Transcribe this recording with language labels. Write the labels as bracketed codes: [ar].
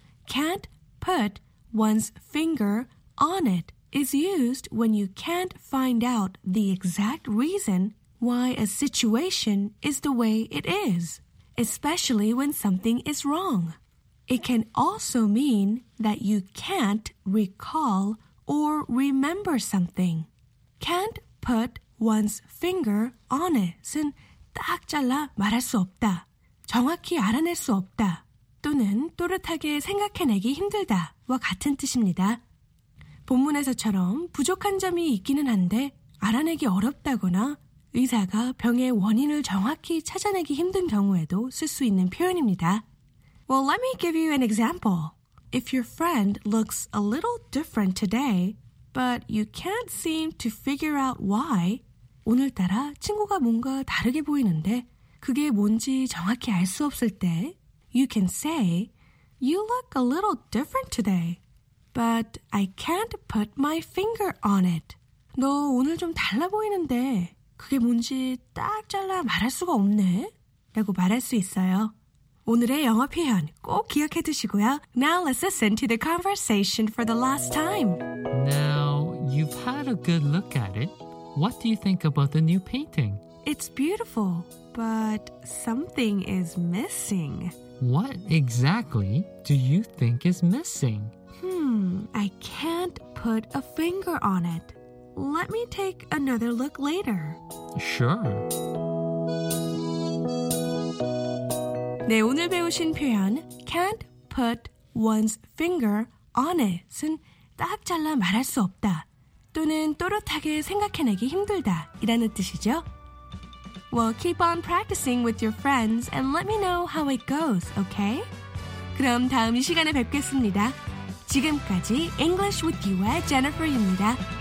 [en] Can't put one's finger on it is used when you can't find out the exact reason why a situation is the way it is, especially when something is wrong. It can also mean that you can't recall or remember something. Can't put one's finger on it [ko] 은 딱 잘라 말할 수 없다. 정확히 알아낼 수 없다. 또는 또렷하게 생각해내기 힘들다와 같은 뜻입니다. 본문에서처럼 부족한 점이 있기는 한데 알아내기 어렵다거나 의사가 병의 원인을 정확히 찾아내기 힘든 경우에도 쓸 수 있는 표현입니다. [en] Well, let me give you an example. If your friend looks a little different today, but you can't seem to figure out why, [ko] 오늘따라 친구가 뭔가 다르게 보이는데 그게 뭔지 정확히 알 수 없을 때, [en] you can say, you look a little different today, but I can't put my finger on it. [ko] 너 오늘 좀 달라 보이는데 그게 뭔지 딱 잘라 말할 수가 없네 라고 말할 수 있어요. 오늘의 영어 표현 꼭 기억해 두시고요. [en] Now let's listen to the conversation for the last time. Now, you've had a good look at it. What do you think about the new painting? It's beautiful, but something is missing. What exactly do you think is missing? I can't put a finger on it. Let me take another look later. Sure. [ko] 네, 오늘 배우신 표현 [en] can't put one's finger on it [ko] 은 딱 잘라 말할 수 없다 또는 또렷하게 생각해내기 힘들다 이라는 뜻이죠. [en] Well, keep on practicing with your friends and let me know how it goes, okay? [ko] 그럼 다음 이 시간에 뵙겠습니다. 지금까지 English with you의 Jennifer입니다.